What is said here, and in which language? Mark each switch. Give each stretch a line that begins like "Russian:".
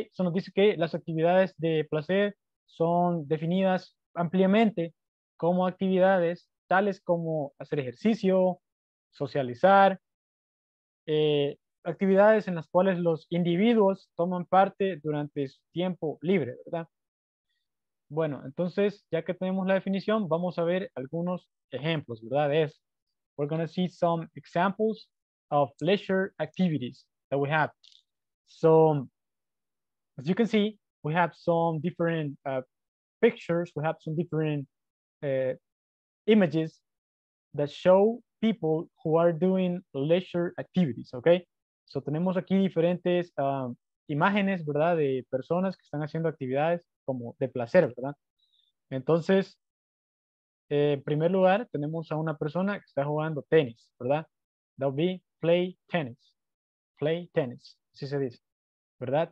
Spanish: Eso nos dice que las actividades de placer son definidas ampliamente como actividades tales como hacer ejercicio, socializar, actividades en las cuales los individuos toman parte durante su tiempo libre, ¿verdad? Bueno, entonces, ya que tenemos la definición, vamos a ver algunos ejemplos, ¿verdad?
English: Es, we're going to see some examples of leisure activities that we have. So, as you can see, we have some different pictures, we have some different images that show people who are doing leisure activities, okay?
Spanish: So tenemos aquí diferentes imágenes, ¿verdad? De personas que están haciendo actividades como de placer, ¿verdad? Entonces, en primer lugar, tenemos a una persona que está jugando tenis, ¿verdad?
English: That would be play tennis. Play tennis,
Spanish: así se dice, ¿verdad?